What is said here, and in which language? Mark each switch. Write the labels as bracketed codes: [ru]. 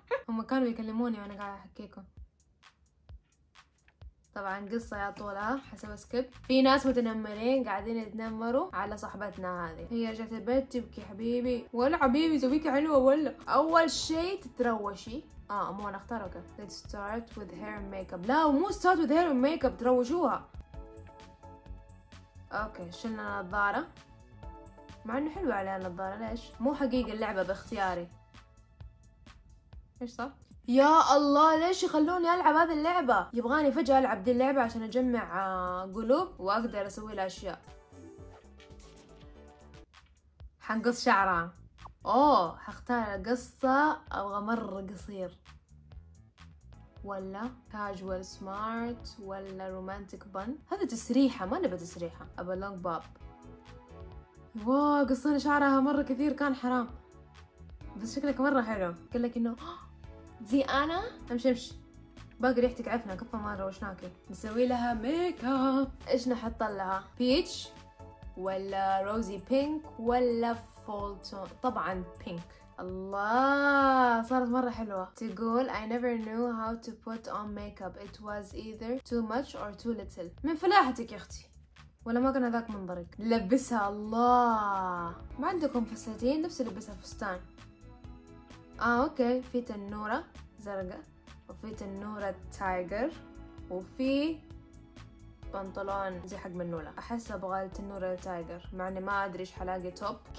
[ar] هم كانوا يكلموني وانا قاعده احكيكم. طبعا قصه يا طولها حسب سكيب. في ناس متنمرين قاعدين يتنمروا على صاحبتنا هذه. هي رجعت البيت تبكي حبيبي ولا حبيبي زوبيك حلوه ولا اول شيء تتروشي. مو انا اختارك. [en] Let's start with hair and makeup. [ar] لا مو [en] start with hair and makeup، [ar] تروشوها. اوكي شلنا النظارة، مع انه حلوة عليها النظارة. ليش؟ مو حقيقة اللعبة باختياري. ايش صار؟ يا الله ليش يخلوني العب هذه اللعبة؟ يبغاني فجأة العب دي اللعبة عشان اجمع قلوب واقدر اسوي لها اشياء. حنقص شعرها. اوه هختار قصة ابغى مرة قصير ولا كاجوال سمارت ولا رومانتك بن. هذا تسريحة، ما نبى تسريحة، ابى لونج باب. واو قصينا شعرها مرة كثير، كان حرام بس شكلك مرة حلو. قال لك انه زي انا. امشي امشي باقي ريحتك عفنة، كفى مرة وش ناكل. نسوي لها ميك اب، ايش نحط لها؟ بيتش ولا روزي بينك ولا طبعا بينك. الله صارت مره حلوه. تقول [en] I never knew how to put on makeup. It was either too much or too little. [ar] من فلاحتك يا اختي. ولا ما كان هذاك منظرك. لبسها. الله ما عندكم فساتين؟ نفسي لبسها فستان. اوكي في تنوره زرقاء وفي تنوره تايجر وفي بنطلون زي حق منولة. احس ابغى التنورة التايجر، مع اني ما ادري ايش حلاقي توب.